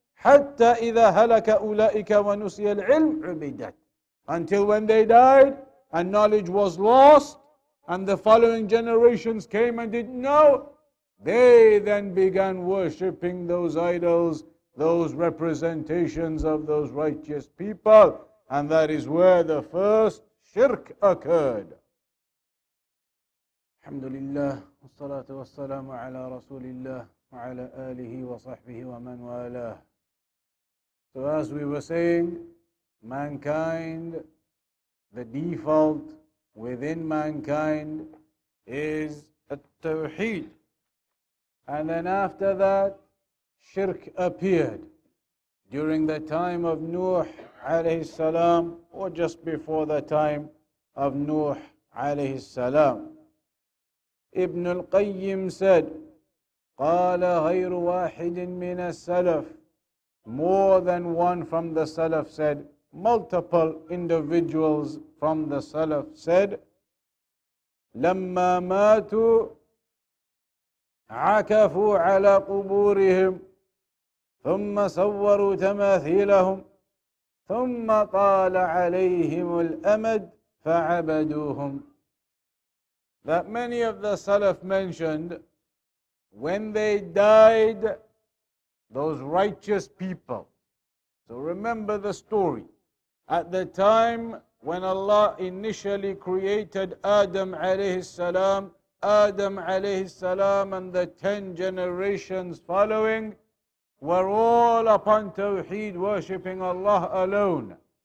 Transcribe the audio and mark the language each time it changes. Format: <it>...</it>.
<ar>حتى إذا هلك أولئك ونسي العلم عبدت,</ar> <en>until when they died and knowledge was lost and the following generations came and didn't know, they then began worshipping those idols, those representations of those righteous people. And that is where the first shirk occurred.</en> <ar>الحمد لله والصلاة والسلام على رسول الله وعلى آله وصحبه ومن والاه.</ar> <en>So as we were saying, mankind, the default within mankind is التوحيد, and then after that shirk appeared during the time of Nuh عليه السلام, or just before the time of Nuh عليه السلام. Ibn al-Qayyim said,</en> <ar>قَالَ غَيْرُ وَاحِدٍ مِنَ السَّلَفِ,</ar> <en>more than one from the Salaf said, multiple individuals from the Salaf said,</en> <ar>لَمَّا مَاتُوا, عكفوا على قبورهم ثم صوروا تماثيلهم ثم طال عليهم الأمد فعبدوهم.</ar> <en>That many of the Salaf mentioned, when they died, those righteous people. So remember the story. At the time when Allah initially created Adam alayhi salam, Adam alayhi salam and the 10 generations following were all upon Tawheed, worshipping Allah alone.</en>